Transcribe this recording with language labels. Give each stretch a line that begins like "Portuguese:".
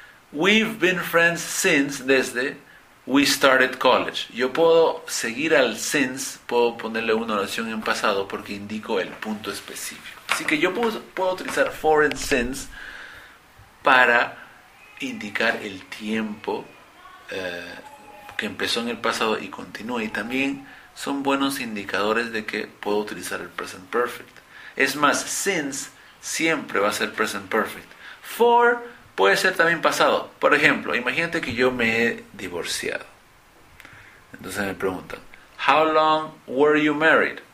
English: We've been friends since,
Spanish: desde
English: we started college.
Spanish: Yo puedo seguir al since, puedo ponerle una oración en pasado porque indico el punto específico. Así que yo puedo utilizar for and since para indicar el tiempo. Que empezó en el pasado y continúa, y también son buenos indicadores de que puedo utilizar el present perfect. Es más, since siempre va a ser present perfect. For Puede ser también pasado. Por ejemplo, imagínate que yo me he divorciado. Entonces me preguntan,
English: How long were you married?